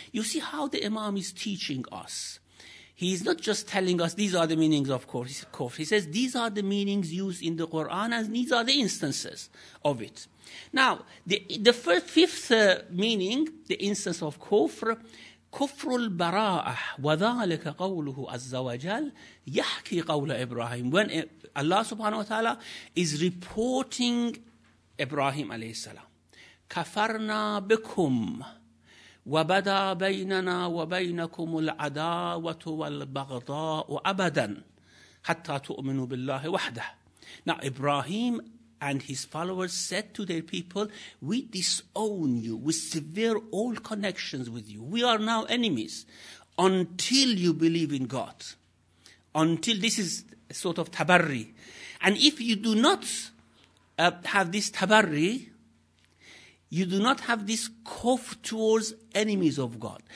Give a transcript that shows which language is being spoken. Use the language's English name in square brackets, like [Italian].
[English] You see how the Imam is teaching us. He is not just telling us these are the meanings of kufr. He says these are the meanings used in the Quran and these are the instances of it. Now, the first, fifth meaning, the instance of kufr, [Arabic] كفر البراءة وذلك قوله عز وجل يحكي قول إبراهيم. [English] When Allah subhanahu wa ta'ala is reporting Ibrahim alayhi salam, [Arabic] كفرنا بكم وبدا بيننا وبينكم العداوة والبغضاء أبدا حتى تؤمنوا بالله وحده. [English] Now Ibrahim and his followers said to their people, we disown you, we sever all connections with you. We are now enemies until you believe in God. Until this is a sort of tabarri. And if you do not have this tabarri, you do not have this kuf towards enemies of God.